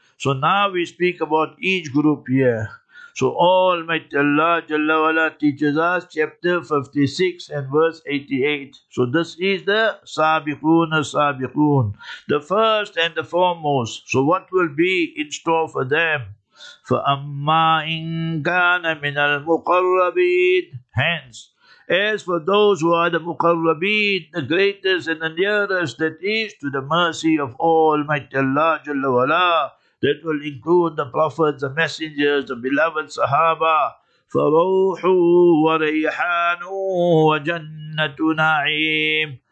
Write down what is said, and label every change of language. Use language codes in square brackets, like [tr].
[en] So now we speak about each group here. So Almighty Allah Jalla Wala teaches us chapter 56 and verse 88. So this is the Sabiqoon al-Sabiqoon, the first and the foremost. So what will be in store for them? [ar] فَأَمَّا إِنْ كَانَ مِنَ الْمُقَرَّبِينَ. Hence, [en] As for those who are the muqarrabeen, the greatest and the nearest, that is to the mercy of Almighty Allah Jalla Wala, that will include the prophets, the messengers, the beloved Sahaba. [ar] فَرَوْحُ وَرَيْحَانُ وَجَنَّةُ نَعِيمٍ.